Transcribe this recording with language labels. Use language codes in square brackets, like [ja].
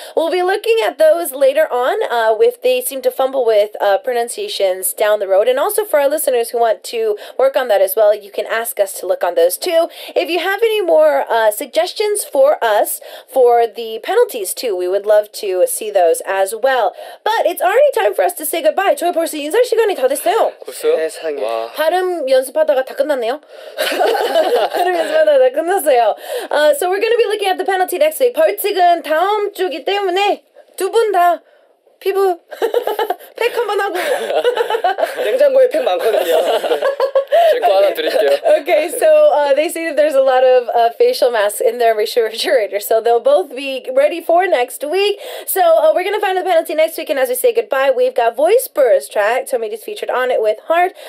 [en] We'll be looking at those later on if they seem to fumble with pronunciations down the road. And also for our listeners who want to work on that as well, you can ask us to look on those too. If you have any more suggestions for us for the penalties too, we would love to see those as well. But it's already time for us to say goodbye. [ko] 저희 벌써 인사 시간이 다 됐어요. 벌써요? 세상에. 와. 발음 연습하다가 다 끝났네요. 발음 연습하다가 다 끝났어요. [en] So we're going to be looking at the penalty next week. [ko] 벌칙은 다음 주기 때문에 두 분 다 피부 팩 한번 하고. 냉장고에 팩 많거든요. 제 거 하나 드릴게요. [en] Okay, so they say that there's a lot of facial masks in their refrigerator, so they'll both be ready for next week. So we're going to find the penalty next week, and as we say goodbye, we've got Voice Burr's track, Tomita's featured on it with Heart.